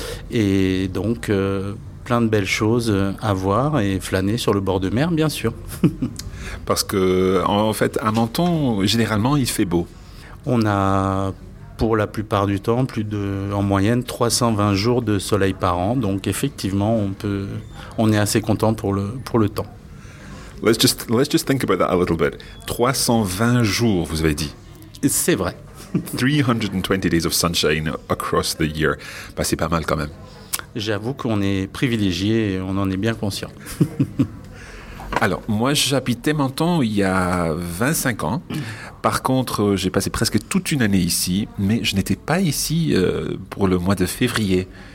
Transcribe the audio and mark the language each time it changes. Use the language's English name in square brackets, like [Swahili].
[French] Et donc, plein de belles choses à voir et flâner sur le bord de mer, bien sûr. Parce que, en fait, à Menton, généralement, il fait beau. On a, pour la plupart du temps, plus de, en moyenne, 320 jours de soleil par an. Donc, effectivement, on est assez content pour le temps. [English] Let's just think about that a little bit. [French] 320 jours, vous avez dit. C'est vrai. [English] 320 days of sunshine across the year. [French] Bah, c'est pas mal quand même. J'avoue qu'on est privilégié et on en est bien conscient. Alors, moi, j'habitais Menton il y a 25 ans. Par contre, j'ai passé presque toute une année ici, mais je n'étais pas ici pour le mois de février.